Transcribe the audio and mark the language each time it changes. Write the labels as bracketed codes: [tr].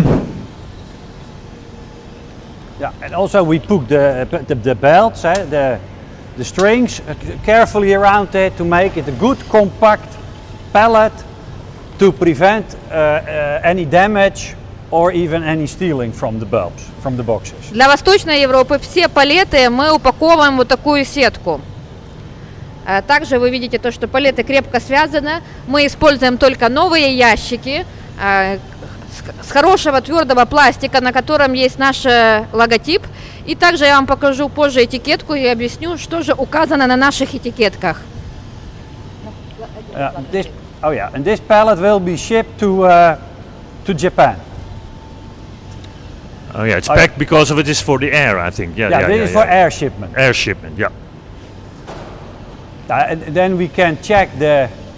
[en] Yeah, and also we put the belts, the strings carefully around it to make it a good compact pallet to prevent any damage or even any stealing from the bulbs, from the boxes. [ru] Для Восточной Европы все палеты мы упаковываем вот такую сетку. Также вы видите то, что палеты крепко связаны. Мы используем только новые ящики с хорошего твердого пластика, на котором есть наш логотип. И также я вам покажу позже этикетку и объясню, что же указано на наших этикетках. [en] And this pallet will be shipped to Japan. Oh yeah, it's packed because of it is for the air, I think. Yeah, this is for air shipment. Air shipment, yeah. And then we can check the...